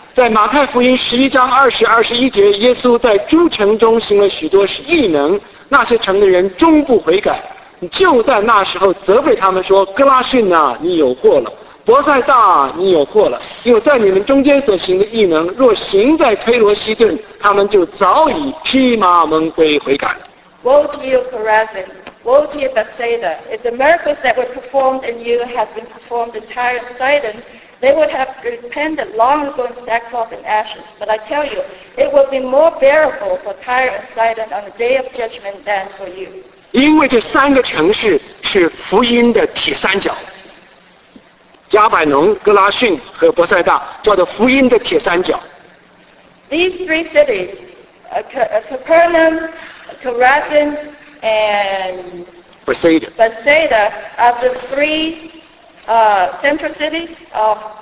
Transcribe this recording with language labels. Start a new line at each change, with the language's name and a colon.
Chinese: 在马太福音十一章二十、二十一节，耶稣在诸城中行了许多异能，那些城的人终不悔改，就在那时候责备他们说：“哥拉逊啊，你有祸了；伯塞大啊，你有祸了，因为在你们中间所行的异能，若行在推罗、西顿，他们就早已披麻蒙灰悔改了。”
English: Woe to you, Chorazin. Woe to you, Bethsaida. If the miracles that were performed in you had been performed in Tyre and Sidon, they would have repented long ago in sackcloth and ashes. But I tell you, it will be more bearable for Tyre and Sidon on the day of judgment than for you.
Chinese: 因为这三个城市是福音的铁三角，加百农、哥拉逊和伯塞大叫做福音的铁三角。
English: These three cities, Capernaum, Chorazin,and Bethsaida are the three central cities of